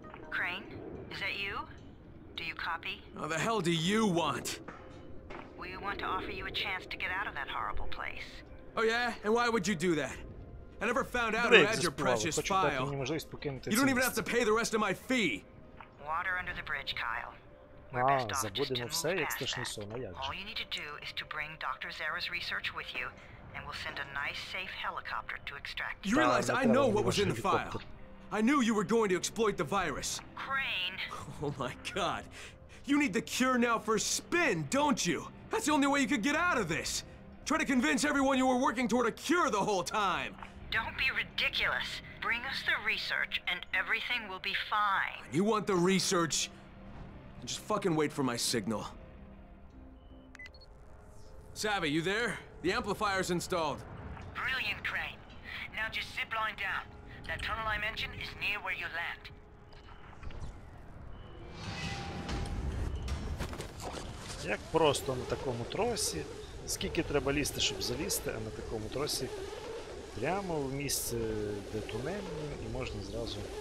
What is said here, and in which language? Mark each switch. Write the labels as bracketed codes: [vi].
[en] Crane, is that you? Do you copy? Oh, the hell do you want? We want to offer you a chance to get out of that horrible place. Oh yeah? And why would you do that? I never found out who had your precious file. You don't even have to pay the rest of my fee. Water under the bridge, Kyle. [uk] Забудемо все, як страшний сон, а як же? [en] All you need to do is to bring Dr. Zara's research with you, and we'll send a nice, safe helicopter to extract you. You realize I know what was in the file. I knew you were going to exploit the virus. Crane. Oh my god. You need the cure now for spin, don't you? That's the only way you could get out of this. Try to convince everyone you were working toward a cure the whole time. Don't be ridiculous. Bring us the research and everything will be fine. You want the research? Just fucking wait for my signal. Savvy, you there? The amplifier's installed. Brilliant, Crane. Now just zip line down. That tunnel I mentioned is near where you land. [uk] Як просто на такому тросі. Скільки треба лізти, щоб залізти, а на такому тросі прямо в місце, де тунель, і можна зразу.